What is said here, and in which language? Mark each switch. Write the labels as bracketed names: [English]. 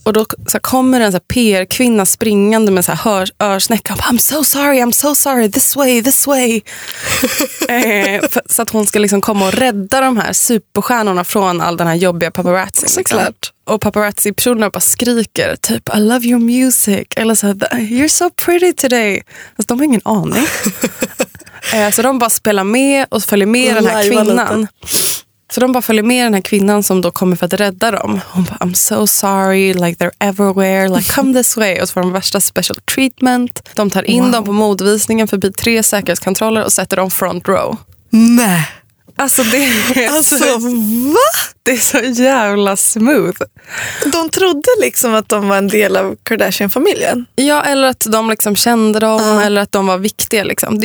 [Swedish] Och då så kommer en så här PR-kvinna springande med så här örsnäcka. Bara, [English] I'm so sorry. This way. [Swedish] så att hon ska liksom komma och rädda de här superstjärnorna från all den här jobbiga paparazzin. Såklart. Och paparazzi-personerna bara skriker typ, [English] I love your music. [Swedish] Eller så, [English] you're so pretty today. [Swedish] Alltså, de har ingen aning. Så de bara spelar med och följer med den här kvinnan. Så de bara följer med den här kvinnan som då kommer för att rädda dem. Hon bara, [English] I'm so sorry, like they're everywhere, like come this way. [Swedish] Och så får de värsta [English] special treatment. [Swedish] De tar in dem på modvisningen förbi tre säkerhetskontroller och sätter dem front row. Nej. Alltså det är alltså, så, va? Det är så jävla smooth. De trodde liksom att de var en del av Kardashian-familjen. Ja, eller att de liksom kände dem eller att de var viktiga liksom.